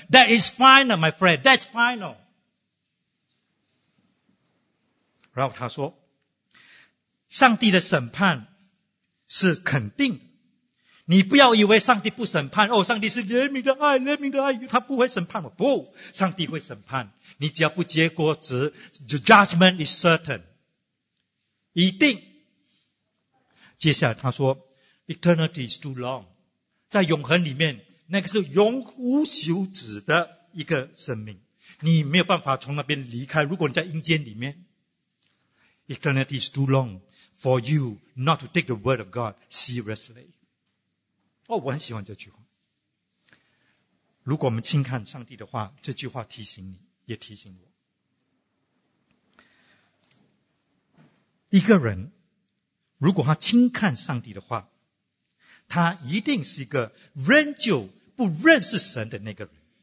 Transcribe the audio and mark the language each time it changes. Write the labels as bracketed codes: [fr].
[en] That is final, my friend, that's final. [zh] 然后他说上帝的审判是肯定的，你不要以为上帝不审判，哦，上帝是怜悯的爱，怜悯的爱，他不会审判我。不，上帝会审判，你只要不结果子 ， [en] the judgment is certain， [zh] 一定。接下来他说 ， [en] eternity is too long， [zh] 在永恒里面，那个是永无休止的一个生命，你没有办法从那边离开。如果你在阴间里面 ， [en] eternity is too long。 For you not to take the word of God seriously. [zh] 哦，我很喜欢这句话。如果我们轻看上帝的话，这句话提醒你，也提醒我。一个人，如果他轻看上帝的话，他一定是一个仍旧不认识神的那个人。